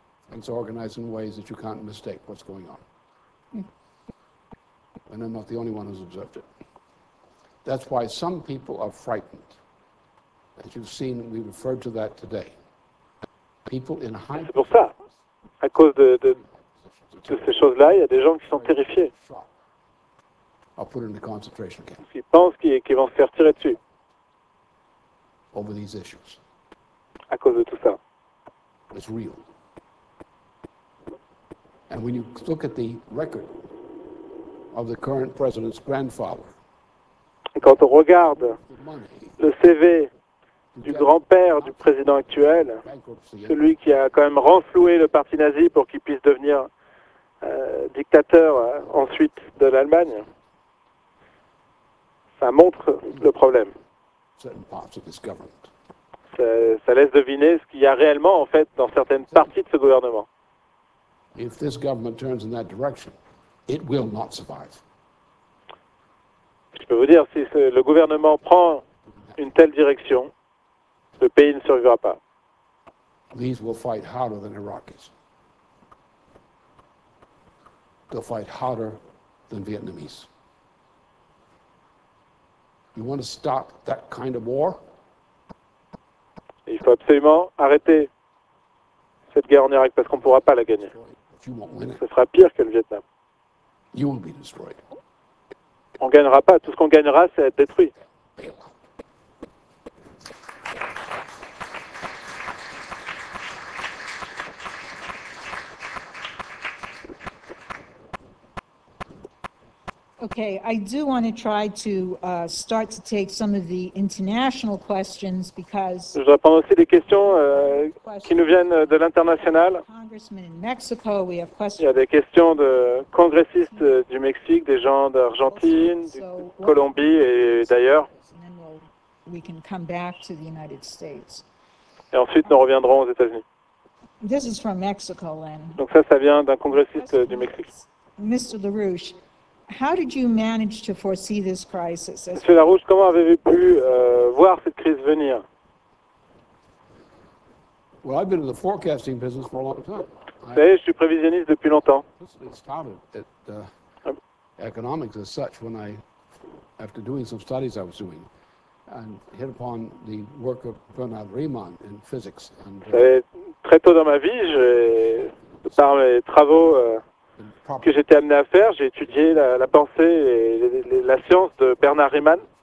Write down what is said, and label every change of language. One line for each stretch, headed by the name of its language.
English: And it's organized in ways that you can't mistake what's going on. And I'm not the only one who's observed it. That's why some people are frightened. As you've seen, we referred to that today. People in high.
French: C'est pour ça. À cause de ces choses-là, il y a des gens qui sont terrifiés.
English: I'll put it in the concentration camp.
French: Qui pensent qu'ils vont se faire tirer dessus.
English: Over these issues.
French: À cause de tout ça.
English: It's real. And when you look at the record of the current president's grandfather.
French: Et quand on regarde le CV du grand-père du président actuel, celui qui a quand même renfloué le parti nazi pour qu'il puisse devenir dictateur ensuite de l'Allemagne. Ça montre le problème. Ça laisse deviner ce qu'il y a réellement, en fait, dans certaines parties de ce gouvernement.
English: If this government turns in that direction, it will not survive.
French: Je peux vous dire, si le gouvernement prend une telle direction, le pays ne survivra pas.
English: These will fight harder than Iraqis. They'll fight harder than Vietnamese. You want to stop that kind of war?
French: Il faut absolument arrêter cette guerre en Irak parce qu'on ne pourra pas la gagner. Ce sera pire que le Vietnam.
English: You will be destroyed.
French: On ne gagnera pas. Tout ce qu'on gagnera, c'est être détruit.
English: Okay, I do want to try to start to take some of the international questions because.
French: Je vais prendre aussi des questions qui nous viennent de l'international.
English: Congressmen in Mexico, we have questions.
French: Il y a des questions de congressistes du Mexique, des gens d'Argentine, de Colombie et d'ailleurs.
English: We can come back to the United States.
French: Et ensuite, nous reviendrons aux États-Unis.
English: This is from Mexico, then.
French: Donc ça vient d'un congressiste du Mexique.
English: Mr. LaRouche. How did you manage to foresee this crisis?
French: Monsieur Larouche, comment avez-vous pu voir cette crise venir?
English: Well, I've been in the forecasting business for a long time.
French: Vous savez, je suis prévisionniste depuis longtemps.
English: It started at economics as such when I, after doing some studies I was doing, and hit upon the work of Bernard Riemann in physics. And,
French: très tôt dans ma vie, j'ai, par mes travaux. Que j'étais amené à faire, j'ai étudié la pensée et la science de Bernard Riemann.